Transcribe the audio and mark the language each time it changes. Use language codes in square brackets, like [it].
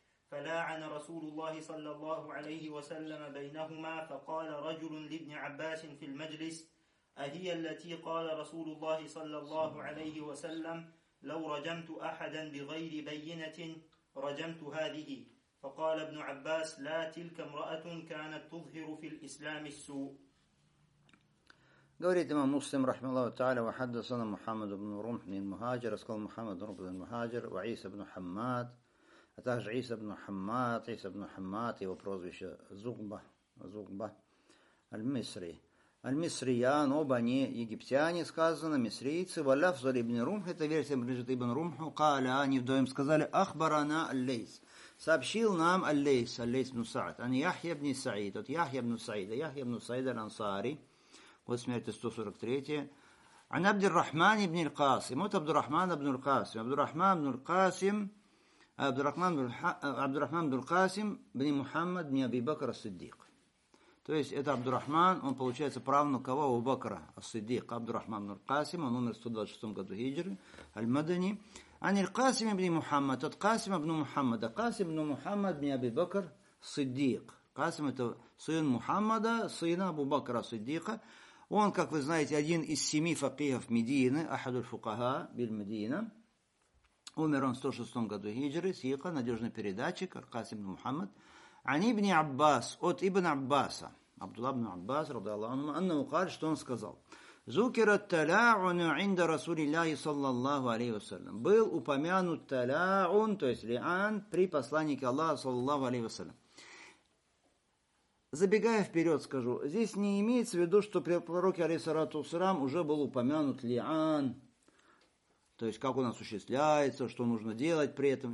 [ar] فلاعن رسول الله صلى الله عليه وسلم بينهما فقال رجل لابن عباس في المجلس أهي التي قال رسول الله صلى الله عليه وسلم لو رجمت أحدا بغير بينة رجمت هذه فقال ابن عباس لا تلك امرأة كانت تظهر في الإسلام السوء. [ru] говорит имам муслим [ar] رحمه الله تعالى وحدثنا محمد بن رمح بن المهاجر قال محمد بن رمح بن المهاجر وعيسى بن حماد [ru] а также [ar] عيسى بن حماد [ru] его прозвище Зугба [ar] المصري المصريان [ru] оба они египтяне сказано мисрийцы валяв за ибн румх это версия принадлежит ибн румху [ar] قال [ru] они вдвоем сказали [ar] أخبرنا الليث [ru] сообщил нам Аль-Лейс, Аль-Лейс ибн Саад, а не Яхья ибн Саид, вот Яхья ибн Саид Аль-Ансари, год смерти 143-е, а не Абдур-Рахман ибн Аль-Касим, вот Абдур-Рахман ибн Аль-Касим, ибн Мухаммад, ибн Абибакара Саддик. То есть это Абдур-Рахман, он получается правнук кого? Абубакара Саддик, Абдур-Рахман ибн Аль-Касим, он умер в 126-м году хиджры, Аль-Мадани. [ar] عن القاسم بن محمد القاسم بن محمد القاسم بن محمد بن أبي بكر الصديق قاسم [ru] это сын [ar] محمد [ru] сын [ar] أبو بكر الصديق [ru] он как вы знаете один из семи [ar] فقيهов مدينة أحد الفقهاء بالمدينة [ru] умер он в 106 году [ar] هجرة [ru] сика надежный передатчик [ar] القاسم بن محمد عن ابن عباس [ru] от [ar] ابن عباس عبد الله بن عباس رضي الله عنه أنه قال [ru] что он сказал [ar] ذكر التلاعن عند رسول الله صلى الله عليه وسلم. [ru] Был упомянут талаун, то есть лиан, при посланнике Аллаха صلى الله عليه وسلم. Забегая вперед, скажу, здесь не имеется в виду, что при пророке алейхиссалату вассалям уже был упомянут лиан, то есть как он осуществляется, что нужно делать при этом.